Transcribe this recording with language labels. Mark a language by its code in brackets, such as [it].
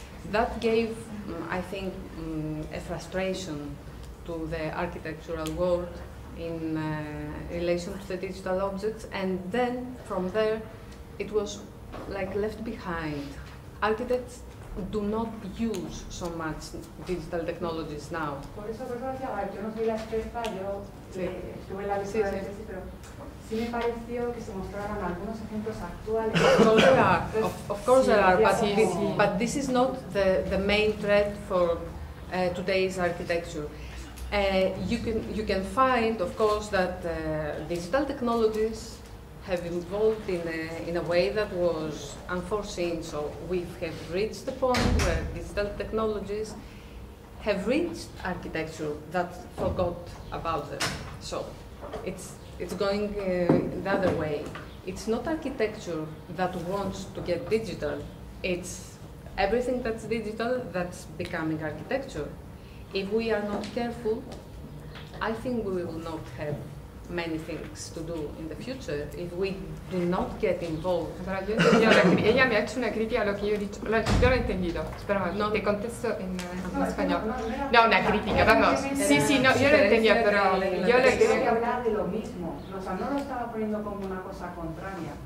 [en] That gave, I think, a frustration to the architectural world in relation to the digital objects, and then from there it was like left behind. Architects do not use so much digital technologies now. [es] Por eso, por eso decía, a ver, yo no soy la experta, yo tuve la visión de tesis, pero sí me pareció que se mostraran algunos ejemplos actuales. [en] Of course there are, but this is not the main threat for today's architecture. You can find, of course, that digital technologies have evolved in a way that was unforeseen. So we have reached the point where digital technologies have reached architecture that forgot about them. So it's going the other way. It's not architecture that wants to get digital. It's everything that's digital that's becoming architecture. If we are not careful, I think we will not have many things to do in the future if we do not get involved. [it] Allora, io ho detto, [es] ella mi ha hecho una critica a lo que yo he dicho. Yo lo he entendido, espera, no te contesto en español. No, una crítica, vamos. Sí, sí, no, yo lo entendía, pero yo le quería hablar de lo mismo. O sea, no lo estaba poniendo como una cosa contraria.